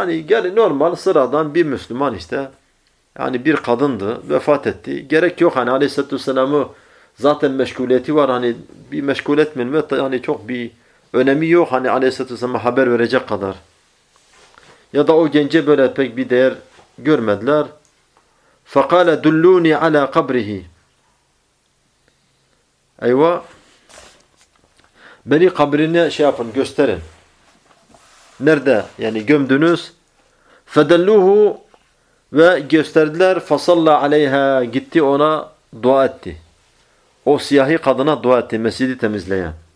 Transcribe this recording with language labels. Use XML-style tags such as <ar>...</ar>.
<tr>Hani gel normal sıradan bir Müslüman işte. Yani bir kadındı. Vefat etti. Gerek yok hani aleyhissalatü vesselam'ı zaten meşguliyeti var. Hani bir meşgul etmeyin. Ve hani çok bir önemi yok. Hani aleyhissalatü vesselam'a haber verecek kadar. Ya da o gence böyle pek bir değer görmediler.</tr> <ar>فَقَالَ دُلُّونِ عَلَى قَبْرِهِ</ar> <tr>Eyvah. Beni kabrine şey yapın, gösterin. Nerede? Yani gömdünüz.</tr> <ar>Fedelluhu</ar> <tr>ve gösterdiler.</tr> <ar>Fasalla aleyha.</ar> <tr>Gitti ona dua etti. O siyahi kadına dua etti. Mescidi temizleyen.</tr>